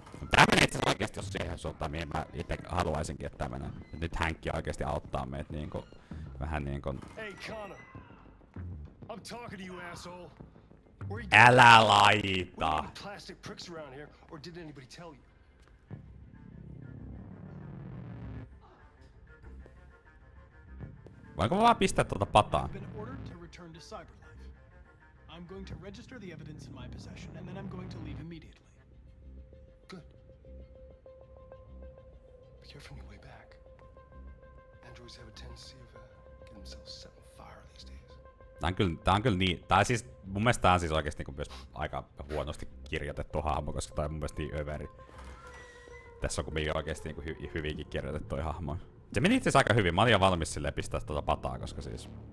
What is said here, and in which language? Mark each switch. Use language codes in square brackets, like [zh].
[fi] Tää menee itseasiassa oikeesti jos siihen suuntaan, mihin mä itse haluaisinkin, että tää menee. Nyt Hankki oikeesti auttaa meet niinku, vähän niinku... [en] Hey Connor! I'm talking to you, asshole! Where are you... [fi] Älä laita! [en] We're getting plastic pricks around here, or did anybody tell you? [fi] Voinko mä vaan pistää tuota pataa? [en] You've been ordered to return to Cyberlife. I'm going to register the evidence in my possession, and then I'm going to leave immediately. Good. Be careful on your way back. Androids have a tendency of getting themselves set on fire these days. [fi] Tää on kyllä niin, tai siis mun mielestä tää on siis oikeesti niinku myös aika huonosti kirjoitettu hahmo, koska tää on mun mielestä niin överi. Tässä on kumminkin oikeesti niinku hyvinkin kirjoitettu toi hahmo. Se meni itseasiassa aika hyvin, mä olin valmis silleen pistää tota pataa, koska siis...